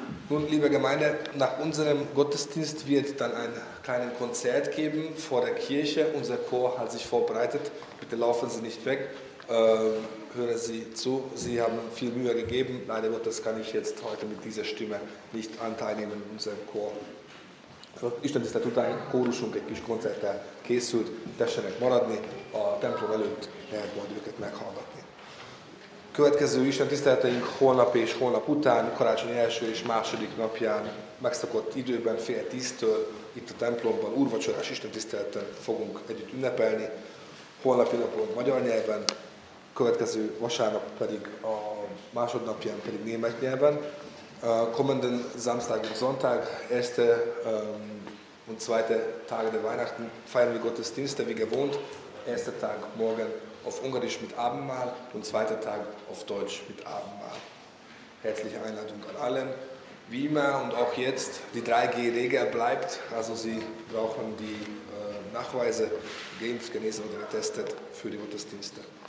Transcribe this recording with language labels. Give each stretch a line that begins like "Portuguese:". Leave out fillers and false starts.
German: Nun, liebe Gemeinde, nach unserem Gottesdienst wird dann ein kleines Konzert geben vor der Kirche. Unser Chor hat sich vorbereitet. Bitte laufen Sie nicht weg. Hören Sie zu. Sie haben viel Mühe gegeben. Leider Gottes kann ich jetzt heute mit dieser Stimme nicht anteilnehmen in unserem Chor.
Hungarian: Isten tisztelet ein kórusunk egy kis koncerttel készült. Tessenek maradni a templom előtt, lehet majd őket meghallgatni. Következő Isten tiszteleteink holnap és holnap után, karácsony első és második napján, megszokott időben, 9:30-tól itt a templomban, úrvacsorás Isten tiszteleten fogunk együtt ünnepelni. Holnapi napon magyar nyelven, következő vasárnap pedig a másodnapján pedig német nyelven.
German: Kommenden Samstag und Sonntag, erste und zweite Tage der Weihnachten, feiern wir Gottesdienste wie gewohnt. Erster Tag morgen auf Ungarisch mit Abendmahl und zweiter Tag auf Deutsch mit Abendmahl. Herzliche Einladung an allen. Wie immer und auch jetzt, die 3G-Regel bleibt, also Sie brauchen die Nachweise, geimpft, genesen oder getestet für die Gottesdienste.